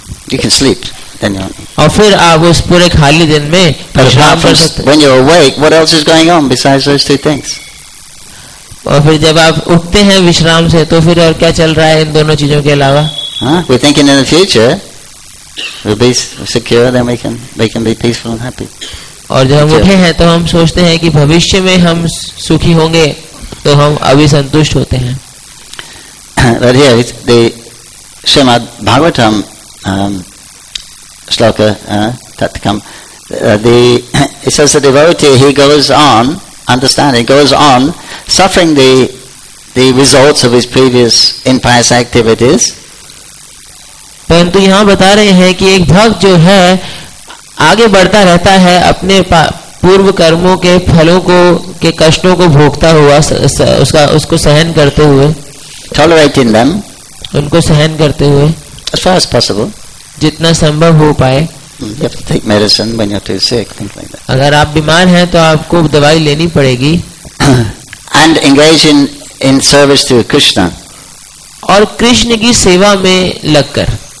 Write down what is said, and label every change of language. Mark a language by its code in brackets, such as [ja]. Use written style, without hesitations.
[en] You can sleep, then you're... [hi] और फिर आप उस पूरे खाली दिन में [en] when you're awake, what else is going on besides those two things? [hi] और फिर जब आप उठते हैं विश्राम से, तो फिर और क्या चल रहा है इन दोनों चीजों के अलावा? [en] We're thinking in the future. We'll be secure, then we can be peaceful and happy. [hi] और जब हम उठे हैं तो हम सोचते हैं कि भविष्य में हम सुखी होंगे, तो हम अभी संतुष्ट होते हैं। [en] But here, the Srimad Bhagavatam shloka tatkam, it says the devotee, he goes on, understanding, goes on suffering the results of his previous impious activities. [hi] परंतु यहाँ बता रहे हैं कि एक भक्त जो है आगे बढ़ता रहता है अपने पूर्व कर्मों के फलों को, के कष्टों को भोगता हुआ, उसका उसको सहन करते हुए, [en] tolerating them, [hi] उनको सहन करते हुए, [en] as far as possible, [hi] जितना संभव हो पाए। [en] You have to take medicine when you're too sick, things like that. [hi] अगर आप बीमार हैं तो आपको दवाई लेनी पड़ेगी। [en] And engage in service to Krishna. [hi] और कृष्ण की सेवा में लगकर।